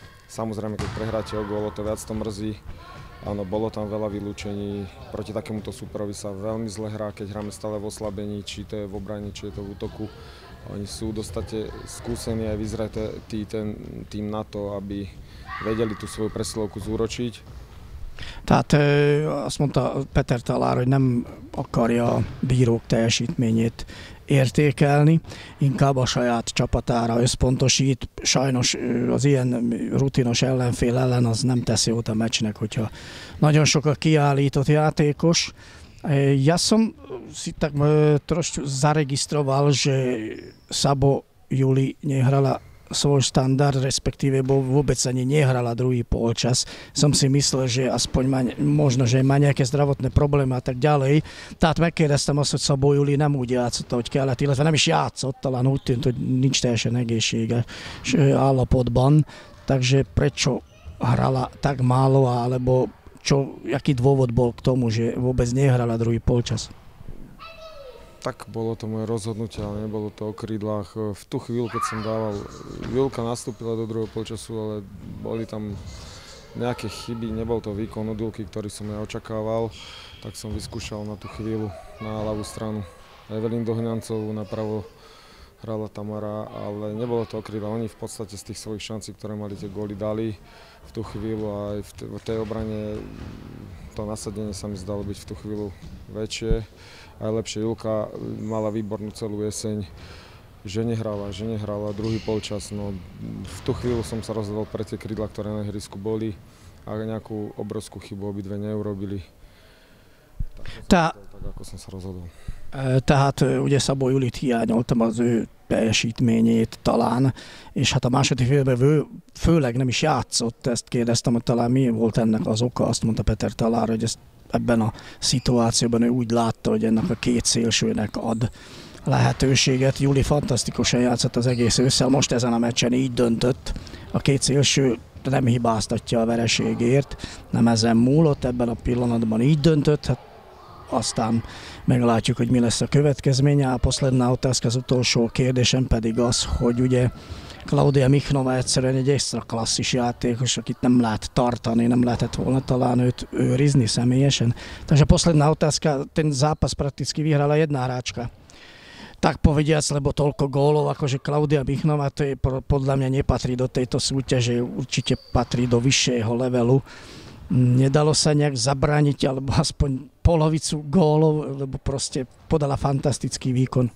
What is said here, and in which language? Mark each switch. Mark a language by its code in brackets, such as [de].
[sk] Samozrejme, keď prehráte o gólo, to viac to mrzí. Áno, bolo tam veľa vylúčení, proti takémuto súperovi sa veľmi zle hrá, keď hráme stále v oslabení, či to je v obrane, či je to v útoku. Oni sú dostate skúsení aj vyzrať ten tým na to, aby vedeli tú svoju presilovku zúročiť. [hu] Tehát azt mondta Peter Talár, hogy nem akarja a bírók teljesítményét értékelni, inkább a saját csapatára összpontosít. Sajnos az ilyen rutinos ellenfél ellen az nem teszi jót a meccsnek, hogyha nagyon sok a kiállított játékos. [sk] Ja som si tak trošku zaregistroval, že Sabo Juli nehrala svoj standard, respektíve vôbec ani nehrala druhý polčas. Som si myslel, že aspoň možno, že má nejaké zdravotné problémy a tak ďalej. [hu] Tehát megkérdeztem azt, hogy Szabó Juli nem úgy játszott, ahogy kellett, illetve nem is játszott, talán úgy tűnt, hogy nincs teljesen egészséges állapotban. [sk] Takže prečo hrala tak málo, alebo čo, jaký dôvod bol k tomu, že vôbec nehrala druhý polčas? Tak bolo to moje rozhodnutie, ale nebolo to o krídlach. V tú chvíľu, keď som dával, Vilka nastúpila do druhého polčasu, ale boli tam nejaké chyby, nebol to výkon od Vilky, ktorý som ja očakával, tak som vyskúšal na tú chvíľu na ľavú stranu Evelyn Dohňancovú, napravo hrala Tamara, ale nebolo to o krídla. Oni v podstate z tých svojich šancí, ktoré mali tie góly, dali v tú chvíľu a aj v tej obrane to nasadenie sa mi zdalo byť v tú chvíľu väčšie. Aj lepšie, Julka mala výbornú celú jeseň, že nehrala druhý polčas, no v tú chvíľu som sa rozhodol pre tie krídla, ktoré na ihrisku boli a nejakú obrovskú chybu obidve neurobili. Tak ako som sa rozhodol. [hu] Tehát ugye Szabó Julit hiányoltam az ő teljesítményét talán, és hát a második félben ő főleg nem is játszott, ezt kérdeztem, hogy talán mi volt ennek az oka, azt mondta Peter Talár, hogy ezt ebben a szituációban ő úgy látta, hogy ennek a két szélsőnek ad lehetőséget. Juli fantasztikusan játszott az egész ősszel, most ezen a meccsen így döntött. A két szélső nem hibáztatja a vereségért, nem ezen múlott, ebben a pillanatban így döntött. Hát aztán meglátjuk, hogy mi lesz a következménye. A [sk] posledná otázka, [hu] az utolsó kérdésem pedig az, hogy ugye Klaudia Michnova egyszerűen egy extra klasszis játékos, akit nem lehet tartani, nem lehetett volna talán őt őrizni személyesen. [sk] Tehát a posledná otázka, ten zápas prakticky vyhrala jedna hráčka. Tak povediac, lebo toľko gólov, akože Klaudia Michnova, to je podľa mňa nepatrí do tejto súťaže, určite patrí do vyššieho levelu. Nedalo sa nejak zabrániť, alebo aspoň polovicu gólov, lebo proste podala fantastický výkon.